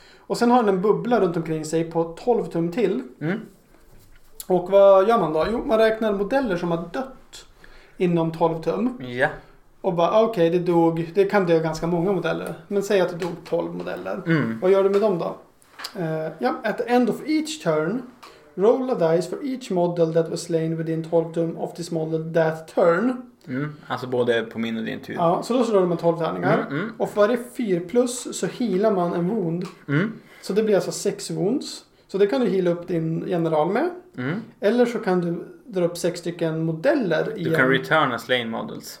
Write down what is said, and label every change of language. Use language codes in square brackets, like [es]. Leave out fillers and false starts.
[sv] Och sen har den en bubbla runt omkring sig på 12 tum till. Och vad gör man då? Jo, man räknar modeller som har dött inom 12 tum. Och bara, okej, det dog. Det kan dö ganska många modeller. Men säg att det dog 12 modeller. Vad gör du med dem då? Ja, [en] at the end of each turn, roll a dice for each model that was slain within 12 [sv] tum [en] of this model that turn. [sv] Alltså både på min och din tur. Ja, så då slår man 12 tärningar. Och för varje 4 plus så healar man en wound. Så det blir alltså 6 wounds. Så det kan du heala upp din general med. Eller så kan du dra upp 6 stycken modeller. Du kan returna slain models.